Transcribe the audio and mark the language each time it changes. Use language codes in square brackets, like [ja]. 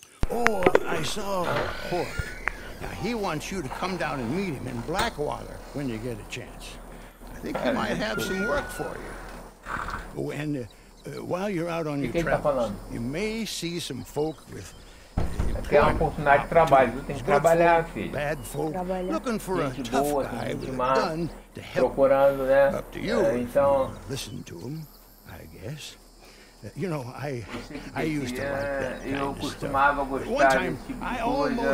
[en] Oh, I saw Hork. Now, he wants you to come down and meet him in Blackwater when you get a chance. I think he might have some work for you. Oh, and while you're out on your travels, you may see some folk with... [pt] Aqui é uma oportunidade de trabalho, tu tem que trabalhar, filho. [en] Bad folk, looking for a tough guy with a gun to help. [pt] Procurando, né? [en] Up to you, então... Listen to him, I guess. You know, I used to like that kind of stuff. [pt] Eu costumava gostar desse tipo de coisa.